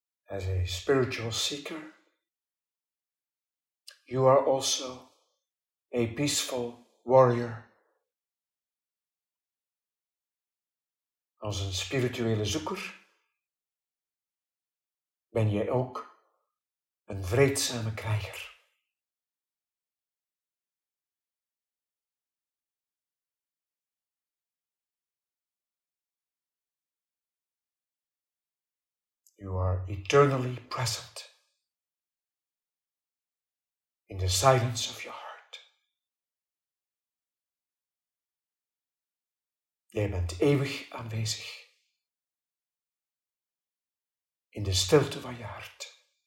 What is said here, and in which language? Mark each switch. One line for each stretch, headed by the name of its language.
English: As a spiritual seeker, you are also a peaceful warrior.
Dutch: Als een spirituele zoeker ben jij ook een vreedzame krijger.
English: You are eternally present in the silence of your heart.
Dutch: Jij bent eeuwig aanwezig in de stilte van je hart.